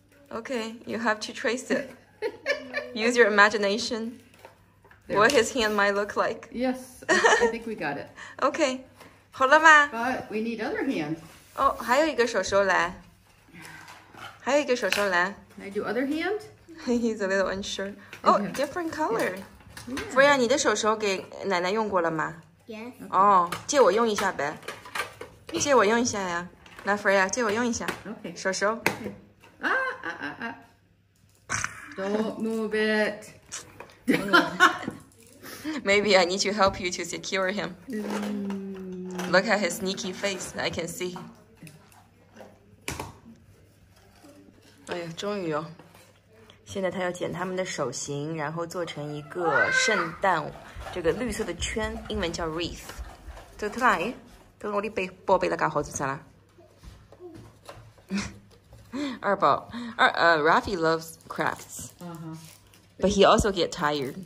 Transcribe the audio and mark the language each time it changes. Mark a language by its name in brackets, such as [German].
[English] Okay, you have to trace it. Use your imagination. What his hand might look like? Yes, I think we got it. [Chinese] Okay, 好了吗 [English] ？But we need other hand. [Chinese] 哦，还有一个手手来，还有一个手手来。 [English] Can I do other hand? He's a little unsure. Oh, different color. Freya, your hand has been used by Grandma? Yes. Yeah. Oh, give me one. Give me one. Come here, Freya. Give me one. Okay. Hand. Ah, ah, ah, ah. Don't move it. Maybe I need to help you to secure him. Look at his sneaky face. I can see. Oh, yeah, [Chinese] 终于哦。现在他要剪他们的手型，然后做成一个圣诞这个绿色的圈，英文叫 wreath。走出来，都我的背宝贝了，干好做啥了？ [English] 二宝，Rafi loves crafts,、but he also get tired.